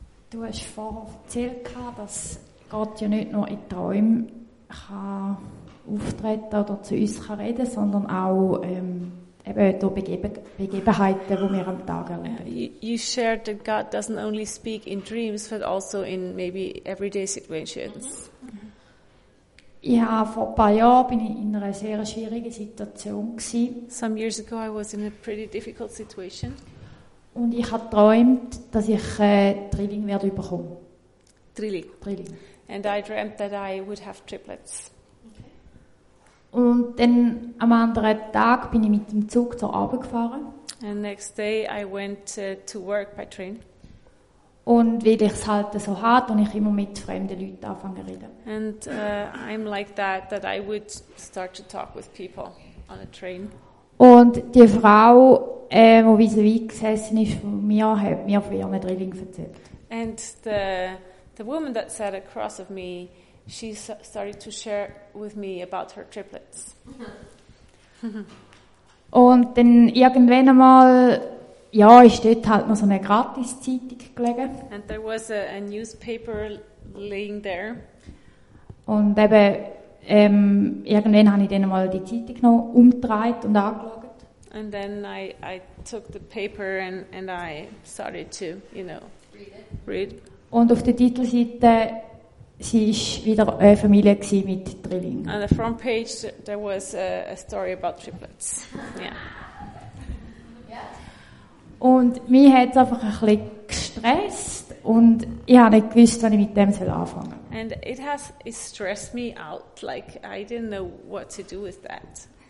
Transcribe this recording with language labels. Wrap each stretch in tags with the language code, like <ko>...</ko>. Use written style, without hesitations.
<de>Du hast vorher erzählt, dass Gott ja nicht nur in Träumen kann auftreten oder zu uns kann reden kann, sondern auch eben durch Begebenheiten, die wir am Tag erleben.</de> <en>You shared that God doesn't only speak in dreams, but also in maybe everyday situations.</en> <de>Ja, vor ein paar Jahren bin ich in einer sehr schwierigen Situation gsi.</de> <en>Some years ago I was in a pretty difficult situation.</en> <de>Und ich habe geträumt, dass ich Drilling werde überkommen. Drilling.</de> <en>And I dreamt that I would have triplets. Okay.</en> <de>Und dann am anderen Tag bin ich mit dem Zug zur Arbeit gefahren.</de> <en>And next day I went to work by train.</en> <de>Und weil ich es halt so hart und ich immer mit fremden Leuten anfange zu reden.</de> <en>And I'm like that I would start to talk with people on a train.</en> <de>Und die Frau, wo vis-à-vis gesessen ist von mir, hat mir von ihren Drilling erzählt.</de> <en>And the woman that sat across of me, she started to share with me about her triplets.</en> <de>Und dann irgendwann einmal, ja, ist dort halt noch so eine Gratiszeitung gelegen.</de> <en>And there was a newspaper laying there.</en> <de>Und eben, irgendwann habe ich dann mal die Zeitung noch umgedreht und angeschaut.</de> <en>And then I took the paper and I started to, you know, read.</en> <de>Und auf der Titelseite, sie ist wieder eine Familie gsi mit Trillingen.</de> <en>On the front page, there was a story about triplets. Yeah.</en> <de>Und mich hat es einfach ein bisschen gestresst und ich habe nicht gewusst, wann ich mit dem anfangen soll.</de> <en>And it stressed me out, like I didn't know what to do with that.</en>